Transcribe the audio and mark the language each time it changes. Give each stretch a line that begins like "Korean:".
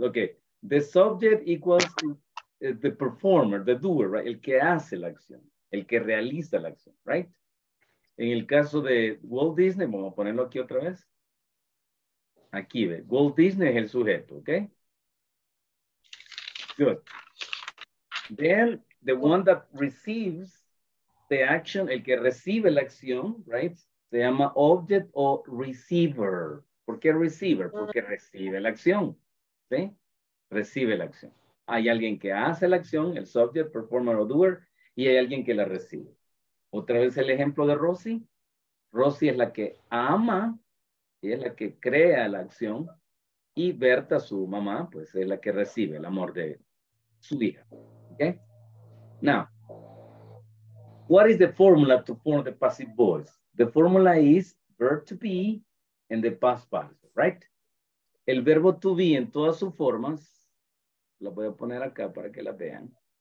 English: Ok, the subject equals the performer, the doer, right?
Spanish: El que hace la acción, el que realiza la acción,
English: right?
Spanish: En el caso de Walt Disney, vamos a ponerlo aquí otra vez. Aquí ve, Walt Disney es el sujeto, ok?
English: Good. Then, the one that receives the action,
Spanish: el que recibe la acción,
English: right?
Spanish: Se llama object o receiver. ¿Por qué receiver? Porque recibe la acción. ¿Sí? Recibe la acción. Hay alguien que hace la acción, el subject, performer o doer, y hay alguien que la recibe. Otra vez el ejemplo de Rosy. Rosy es la que ama y es la que crea la acción. Y Berta, su mamá, pues es la que recibe el amor de su hija. ¿Ok?
English: Now, what is the formula to form the passive voice? The formula is verb to be in the past participle, right?
Spanish: El verbo to be en todas sus formas, lo voy a poner acá para que la vean.